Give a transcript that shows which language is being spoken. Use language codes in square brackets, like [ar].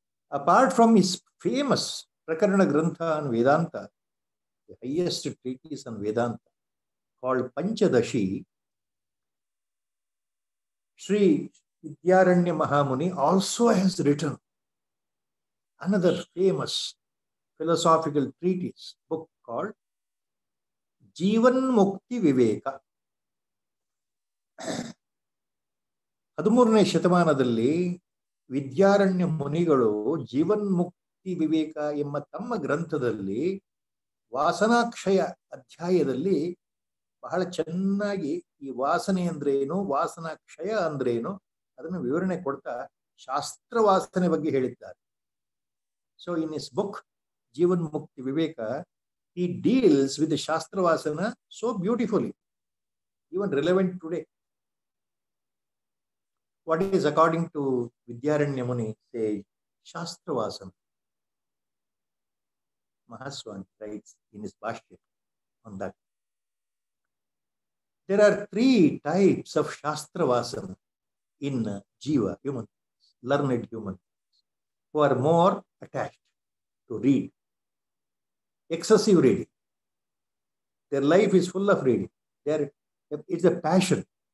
[en] Apart from his famous Prakarana Grantha on Vedanta, the highest treatise on Vedanta, called Panchadashi, Sri Vidyaranya Mahamuni also has written another famous philosophical treatise, book called Jivan Mukti Viveka. [kn] Hadumurne Shatamanadalli, Vidyaranya Munigalu, Jivan Mukti Viveka emma tamma granthadalli, Vasanakshaya Adhyayadalli, ಬಹಳ ಚೆನ್ನಾಗಿ ಈ ವಾಸನೆ ಅಂದ್ರೇನು, ವಾಸನಾ ಕ್ಷಯ ಅಂದ್ರೇನು ಅದನ್ನು ವಿವರಣೆ ಕೊಡ್ತಾ ಶಾಸ್ತ್ರ ವಾಸನೆ ಬಗ್ಗೆ ಹೇಳಿದ್ದಾರೆ. [en] So in his book Jivan Mukti Viveka he deals with ಶಾಸ್ತ್ರವಾಸನ so beautifully, even relevant today. What is according to Vidyaranya Muni say ಶಾಸ್ತ್ರವಾಸನ ಮಹಾಸ್ವಾಮಿ writes in his ಭಾಷ್ಯ on that. There are three types of Shastravasana in Jiva, human, learned human, who are more attached to read. Excessive reading. Their life is full of reading. It's a passion.